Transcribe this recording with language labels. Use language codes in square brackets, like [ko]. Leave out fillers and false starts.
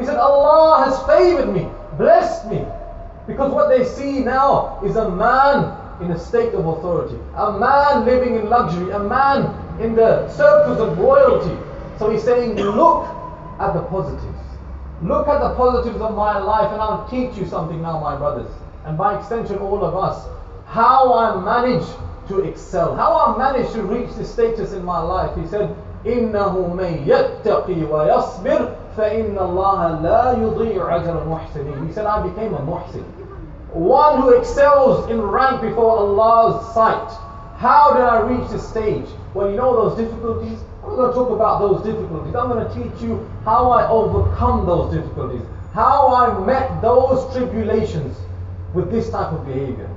[en] He said, Allah has favored me, blessed me. Because what they see now is a man in a state of authority, a man living in luxury, a man in the circles of royalty. So he's saying, look at the positives. Look at the positives of my life and I'll teach you something now, my brothers. And by extension, all of us. How I manage to excel. How I manage to reach this status in my life. He said, [ar] إِنَّهُ مَنْ يَتَّقِي وَيَصْبِرْ فَإِنَّ اللَّهَ لَا يُضِيعُ أَجْرَ الْمُحْسِنِينَ. [en] He said, I became a muhsin. One who excels in rank before Allah's sight. How did I reach this stage? Well, you know those difficulties? I'm not going to talk about those difficulties. I'm going to teach you how I overcome those difficulties. How I met those tribulations with this type of behavior.